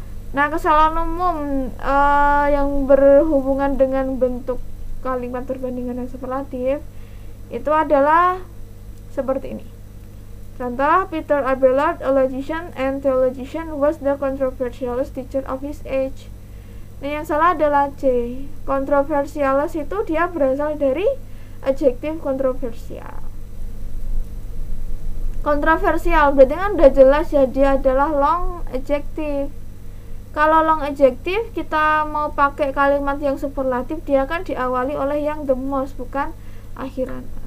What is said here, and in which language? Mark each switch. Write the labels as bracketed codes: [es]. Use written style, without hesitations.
[id] Nah, kesalahan umum yang berhubungan dengan bentuk kalimat perbandingan dan superlatif itu adalah seperti ini. [en] Contoh, Peter Abelard, a logician and theologian, was the controversialist teacher of his age. [id] Nah, yang salah adalah C. Controversialist itu dia berasal dari adjektif kontroversial. Kontroversial berarti kan udah jelas ya, dia adalah long adjektif. Kalau long adjektif kita mau pakai kalimat yang superlatif, dia kan diawali oleh yang the most, bukan akhiran.